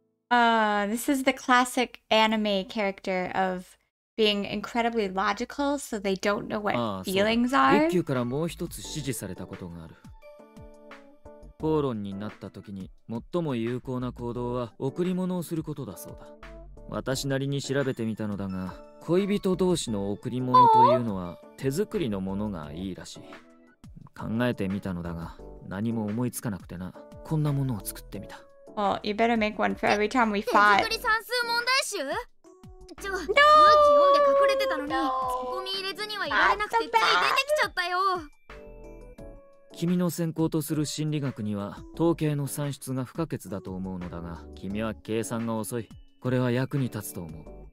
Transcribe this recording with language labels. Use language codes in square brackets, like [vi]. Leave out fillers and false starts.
[en] This is the classic anime character of being incredibly logical, so they don't know what feelings are. [ja] 一休からもう一つ指示されたことがある。口論になった時に最も有効な行動は贈り物をすることだそうだ。私なりに調べてみたのだが、恋人同士の贈り物というのは手作りのものがいいらしい。考えてみたのだが、何も思いつかなくてな。こんなものを作ってみた。 [en] Well, you better make one for every time we fight. [ja] 手作り算数問題集？ちょ、マジ読んで隠れてたのに、ツッコミ入れずにはいられなくて、つい出てきちゃったよ。君の専攻とする心理学には、統計の算出が不可欠だと思うのだが、君は計算が遅い。これは役に立つと思う。